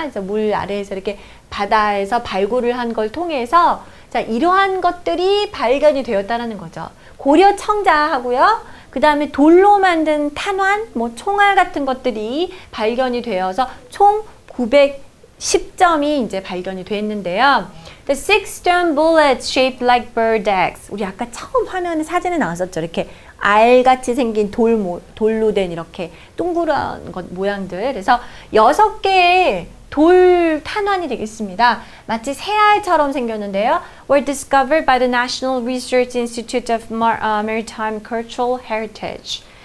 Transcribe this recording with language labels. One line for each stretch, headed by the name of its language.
Korean: 그래서 물 아래에서 이렇게 바다에서 발굴을 한 걸 통해서 자, 이러한 것들이 발견이 되었다는 거죠. 고려 청자하고요. 그 다음에 돌로 만든 탄환, 뭐 총알 같은 것들이 발견이 되어서 총 10점이 이제 발견이 됐는데요.
English: The six stone bullets shaped like bird eggs.
Korean: 우리 아까 처음 화면에 사진에 나왔었죠. 이렇게 알 같이 생긴 돌로 된 이렇게 동그란 것 모양들. 그래서 여섯 개의 돌 탄환이 되겠습니다. 마치 새알처럼 생겼는데요.
English: Were discovered by the National Research Institute of Maritime Cultural Heritage.